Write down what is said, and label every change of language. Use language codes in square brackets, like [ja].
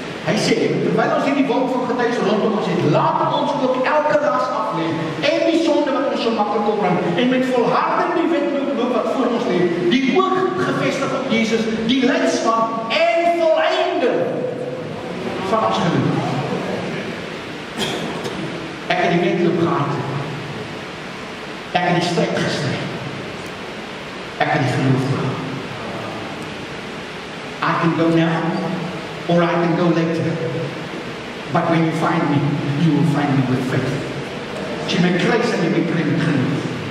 [af] Hy sê, terwyl ons hierdie wolk van getuies rondom ons het, laat ons ook elke las aflê en die sonde wat ons so maklik opbring en met volharding die wedloop wat voor ons lê, die oog gevestig op Jesus, die leidsman en volleinder van ons geloof. Ek het die wedloop gehad. Ek het die stryd gestry. Ek het die geloof gehad. [en] I can go now. Or I can go later. But when you find me, you will find me with faith. [af] Jy met kruis en jy met kruis met geloof.